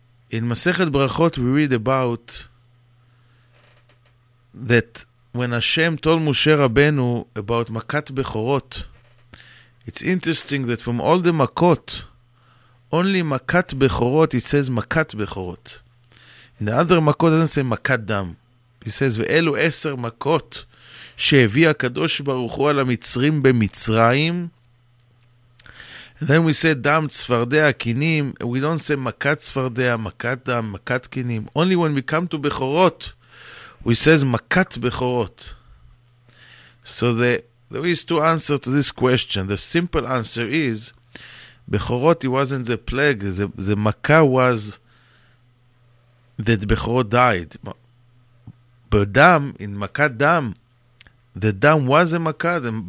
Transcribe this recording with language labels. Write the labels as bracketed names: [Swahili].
[English] In Masechet Brachot we read about that when Hashem told Moshe Rabbeinu about Makat Bechorot, it's interesting that from all the Makot, only Makat Bechorot, it says Makat Bechorot. In the other Makot, it doesn't say Makat Dam. [Hebrew] It says, ואלו עשר מכות שהביא הקדוש ברוך הוא על המצרים במצרים. [English] And then we say [Hebrew] דם צפרדיה קינים. [English] We don't say [Hebrew] מכת צפרדיה, מכת דם, מכת קינים. [English] Only when we come to בכורות, we says מכת בכורות. So there is two answers to this question. The simple answer is, בכורות it wasn't the plague. The מכה was that בכורות died. בדם, in מכת דם, the dam was a makkah.